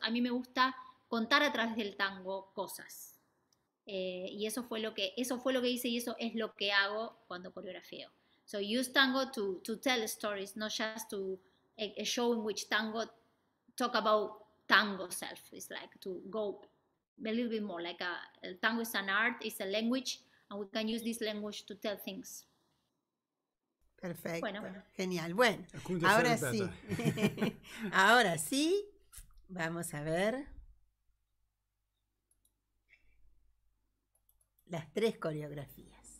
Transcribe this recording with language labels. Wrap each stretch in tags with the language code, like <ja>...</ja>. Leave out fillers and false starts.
<es>A mí me gusta contar a través del tango cosas. Y eso fue lo que hice y eso es lo que hago cuando coreografío.</es> <en>So use tango to tell stories, not just to a show in which tango talk about tango self. It's like to go a little bit more like a tango is an art, it's a language, and we can use this language to tell things.</en> <es>Perfecto. Bueno, genial. Bueno, ahora sí. Ahora sí, vamos a ver las tres coreografías.</es>